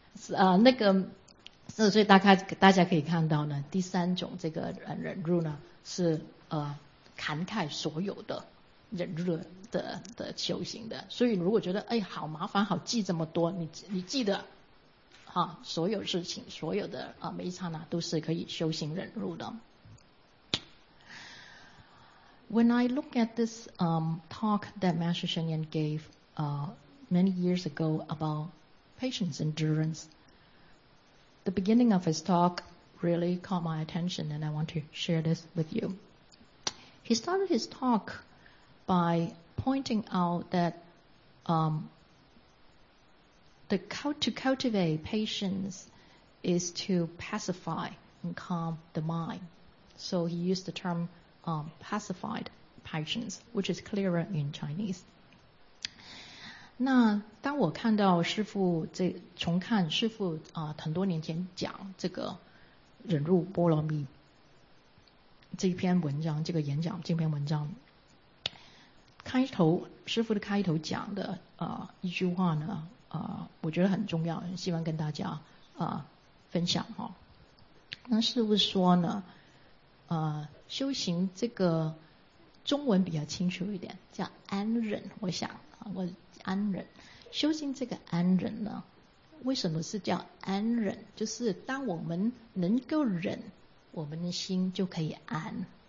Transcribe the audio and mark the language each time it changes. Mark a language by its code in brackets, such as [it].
[zh] 那个所以大家可以看到呢第三种这个忍辱呢是涵盖所有的忍辱的修行的。所以如果觉得哎好麻烦好记这么多你记得啊、所有事情所有的、每一刹那都是可以修行忍辱的 [en] When I look at this talk that Master Sheng Yan gave many years ago about patience endurance the beginning of his talk really caught my attention and I want to share this with you He started his talk by pointing out that to cultivate patience is to pacify and calm the mind. So he used the term pacified patience, which is clearer in Chinese. [zh] 那当我看到师父重看师父、很多年前讲这个忍辱波罗蜜这篇文章这个演讲这篇文章开头师父的开头讲的、一句话呢我觉得很重要希望跟大家、分享、哦、那是不是说呢、修行这个中文比较清楚一点叫安忍我想我安忍修行这个安忍呢为什么是叫安忍就是当我们能够忍我们的心就可以安